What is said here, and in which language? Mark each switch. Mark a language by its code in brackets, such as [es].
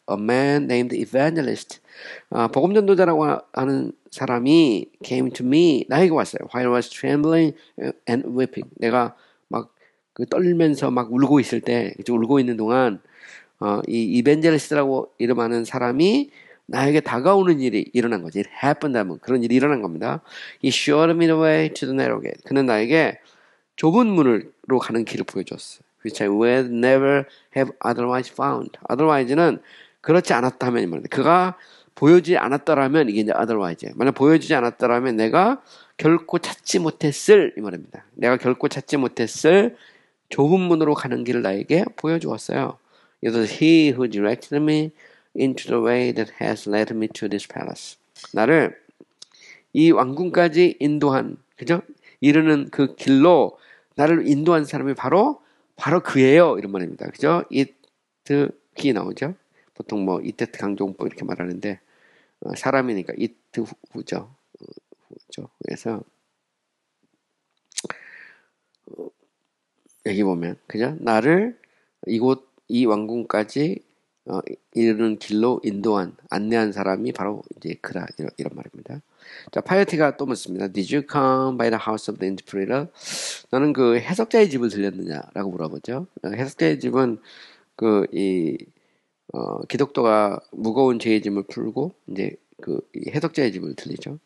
[en] A man named Evangelist, [ko] 복음 전도자라고 하는 사람이 [en] came to me, [ko] 나에게 왔어요. [en] While I was trembling and weeping, [ko] 내가 막그 떨면서 막 울고 있을 때, 좀 울고 있는 동안, 이 이벤젤리스트라고 이름하는 사람이 나에게 다가오는 일이 일어난 거지. [en] It happened. [ko] 그런 일이 일어난 겁니다. [en] He showed me the way to the narrow gate. [ko] 그는 나에게 좁은 문으로 가는 길을 보여줬어. [en] Which I would never have otherwise found. Otherwise는 [ko] 그렇지 않았다면이 말인데. 그가 보여주지 않았더라면 이게 이제 otherwise예요. 만약 보여주지 않았더라면 내가 결코 찾지 못했을 이 말입니다. 내가 결코 찾지 못했을 좁은 문으로 가는 길을 나에게 보여주었어요. [en] It was he who directed me into the way that has led me to this palace. [ko] 나를 이 왕궁까지 인도한, 그죠? 이르는 그 길로 나를 인도한 사람이 바로 그예요. 이런 말입니다. 그죠? It, he 나오죠? 보통 뭐, it, that 강조문법 이렇게 말하는데, 사람이니까, it, who죠? 후죠. 그래서, 여기 보면, 그죠? 나를 이곳, 이 왕궁까지 이르는 길로 인도한, 안내한 사람이 바로 이제 그라, 이런 말입니다. 자, 파이어티가 또 묻습니다. [en] Did you come by the house of the interpreter? [ko] 너는 그 해석자의 집을 들렸느냐라고 물어보죠. 해석자의 집은 그이 기독교가 무거운 죄의 짐을 풀고 이제 그 해석자의 집을 들리죠.